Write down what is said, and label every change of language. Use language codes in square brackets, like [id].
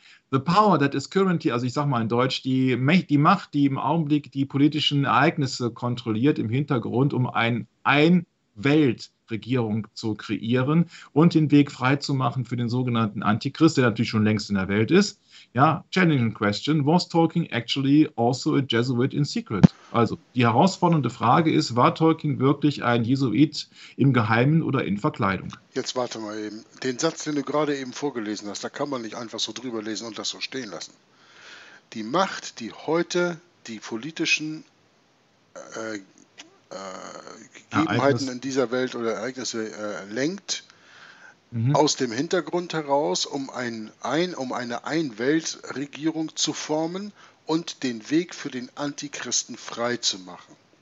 [en] The power that is currently, [de] also ich sag mal in Deutsch, die Macht, die im Augenblick die politischen Ereignisse kontrolliert im Hintergrund, um eine Ein-Welt-Regierung zu kreieren und den Weg freizumachen für den sogenannten Antichrist, der natürlich schon längst in der Welt ist. [en] Ja, challenging question. Was Tolkien actually also a Jesuit in secret? [de] Also, die herausfordernde Frage ist, war Tolkien wirklich ein Jesuit im Geheimen oder in Verkleidung? Jetzt warte mal eben. Den Satz, den du gerade eben vorgelesen hast, da kann man nicht einfach so drüber lesen und das so stehen lassen. Die Macht, die heute die politischen Gegebenheiten in dieser Welt oder Ereignisse lenkt, aus dem Hintergrund heraus, um eine Ein-Welt-Regierung zu formen und den Weg für den Antichristen frei zu machen.